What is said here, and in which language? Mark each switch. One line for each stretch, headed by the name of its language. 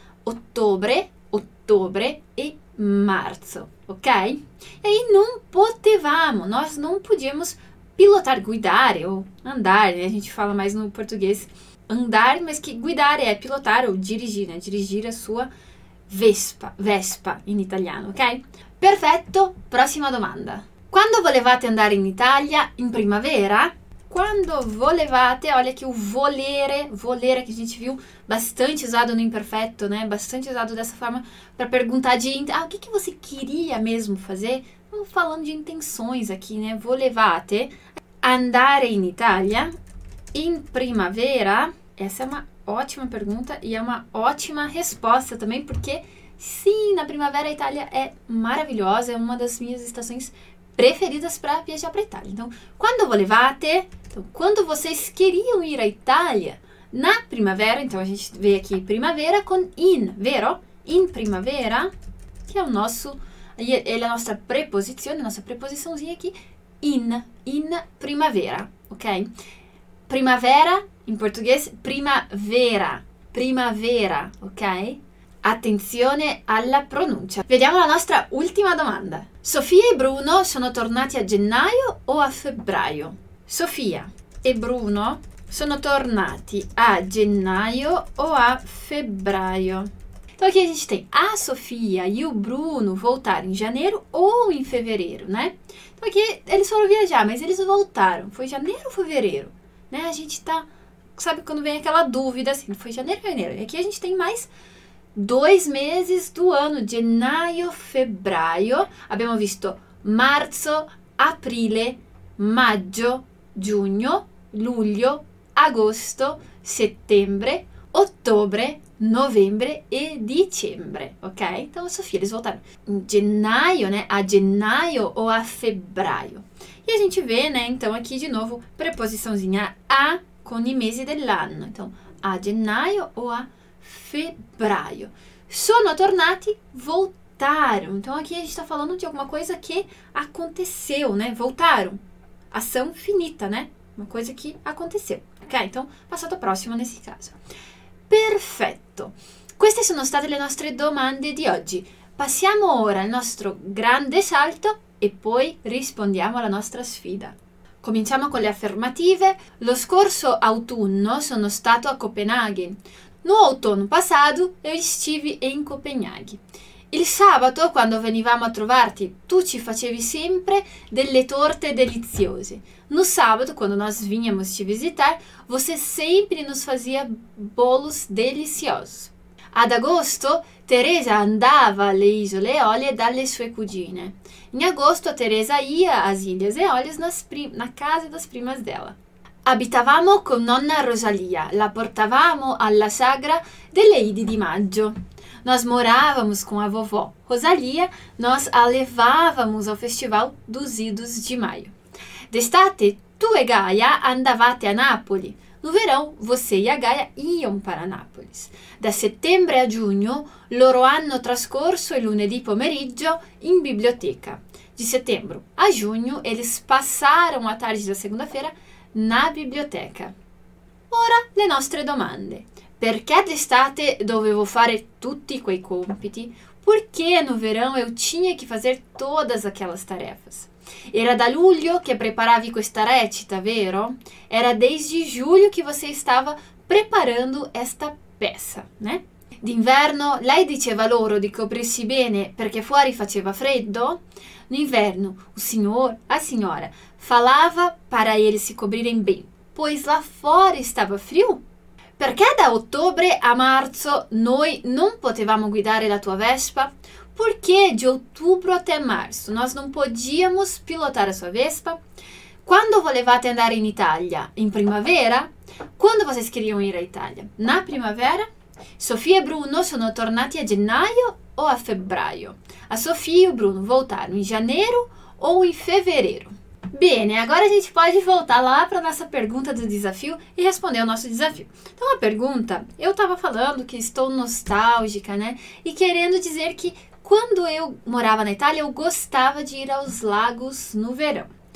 Portuguese: Outubro e março. Ok? E aí, não potevamo. Nós não podíamos pilotar, guidar ou andar, né? A gente fala mais no português andar, mas que guidar é pilotar ou dirigir, né? Dirigir a sua Vespa in italiano, ok?
Italian: Perfetto, prossima domanda. Quando volevate andare in Italia in primavera?
Portuguese: Quando volevate, olha que o volere, que a gente viu bastante usado no imperfeito, né? Bastante usado dessa forma para perguntar de, ah, o que que você queria mesmo fazer? Não falando de intenções aqui, né?
Italian: Volevate andare in Italia in primavera?
Portuguese: Essa é uma ótima pergunta e é uma ótima resposta também, porque sim, na primavera a Itália é maravilhosa, é uma das minhas estações preferidas para viajar para Itália. Então,
Italian: quando volevate?
Portuguese: Então, quando vocês queriam ir à Itália na primavera, então a gente vê aqui primavera com in, vero? In primavera, que é o nosso, é a nossa preposizione, a nossa preposiçãozinha aqui, in primavera, ok? Primavera, in português, primavera, ok?
Italian: Attenzione alla pronuncia. Vediamo la nostra ultima domanda. Sofia e Bruno sono tornati a gennaio o a febbraio? Sofia e Bruno sono tornati a gennaio o a febbraio?
Portuguese: Então aqui a gente tem a Sofia e o Bruno voltaram em janeiro ou em fevereiro, né? Então aqui eles foram viajar, mas eles voltaram. Foi janeiro ou fevereiro? Né? A gente tá. Sabe quando vem aquela dúvida assim? Foi janeiro ou fevereiro? E aqui a gente tem mais 2 meses do ano: gennaio, febbraio.
Italian: Abbiamo visto marzo, aprile, maggio, giugno, luglio, agosto, settembre, ottobre, novembre e dicembre, ok?
Portuguese: Então, Sofia, eles voltaram in gennaio, né?
Italian: A gennaio o a febbraio?
Portuguese: E a gente vê, né? Então, aqui de novo, preposiçãozinha
Italian: a con i mesi dell'anno.
Portuguese: Então, a gennaio o a febbraio. Sono tornati, voltaram. Então, aqui a gente está falando de alguma coisa que aconteceu, né? Voltaram. Ação finita, né? Uma coisa que aconteceu, ok? Então, passato prossimo nesse caso. Perfetto!
Italian: Queste sono state le nostre domande di oggi. Passiamo ora al nostro grande salto e poi rispondiamo alla nostra sfida. Cominciamo con le affermative. Lo scorso autunno sono stato a Copenaghen.
Portuguese: No autunno passato, eu estive em Copenaghen.
Italian: Il sabato, quando venivamo a trovarti, tu ci facevi sempre delle torte deliziose.
Portuguese: No sábado, quando nós vínhamos te visitar, você sempre nos fazia bolos deliciosos.
Italian: Ad agosto, Teresa andava alle Isole Eolie dalle sue cugine.
Portuguese: In agosto, Teresa ia às Ilhas Eolias na casa das primas dela.
Italian: Abitavamo con nonna Rosalia, la portavamo alla sagra delle Idi di maggio.
Portuguese: Nós morávamos com a vovó Rosalia, nós a levávamos ao Festival dos Idos de Maio.
Italian: D'estate, tu e Gaia andavate a Napoli.
Portuguese: No verão, você e a Gaia iam para Nápoles.
Italian: Da settembre a giugno, loro hanno trascorso il lunedì pomeriggio in biblioteca.
Portuguese: De setembro a junho, eles passaram a tarde da segunda-feira na biblioteca.
Italian: Ora, le nostre domande. Perché d'estate dovevo fare tutti quei compiti?
Portuguese: Perché no verão eu tinha que fazer todas aquelas tarefas?
Italian: Era da luglio che preparavi questa recita, vero?
Portuguese: Era desde julho che você estava preparando esta peça, né?
Italian: D'inverno lei diceva loro di coprirsi bene perché fuori faceva freddo?
Portuguese: No inverno o signor, a signora, falava para eles se cobrirem bem, pois lá fora estava frio?
Italian: Perché da ottobre a marzo noi non potevamo guidare la tua Vespa? Perché di ottobre até marzo nós non podíamos pilotare la sua Vespa? Quando volevate andare in Italia? In primavera?
Portuguese: Quando vocês queriam ir a Italia? Na primavera?
Italian: Sofia e Bruno sono tornati a gennaio o a febbraio?
Portuguese: A Sofia e o Bruno voltaram in janeiro o in fevereiro? Bene, agora a gente pode voltar lá para nossa pergunta do desafio e responder o nosso desafio. Então, a pergunta, eu estava falando que estou nostálgica, né? E querendo dizer que quando eu morava na Itália, eu gostava de ir aos lagos no verão.